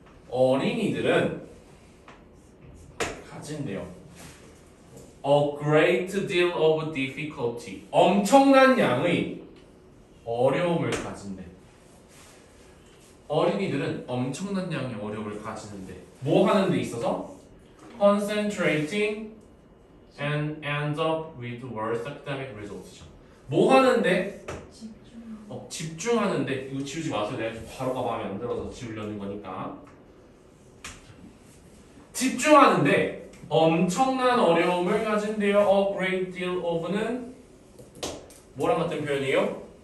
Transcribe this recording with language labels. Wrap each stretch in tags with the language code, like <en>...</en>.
<ko>어린이들은 가진대요.</ko> <en>A great deal of difficulty.</en> <ko>엄청난 양의 어려움을 가진대. 어린이들은 엄청난 양의 어려움을 가지는데 뭐 하는 데 있어서?</ko> <en>Concentrating and end up with worse academic results죠.</en> <ko>뭐 하는데? 집중하는데 이거 지우지 마세요. 내가 바로가 마음에 안 들어서 지우려는 거니까. 집중하는데 엄청난 어려움을 가진대요.</ko> <en>A great deal of</en> <ko>는 뭐랑 같은 표현이에요?</ko>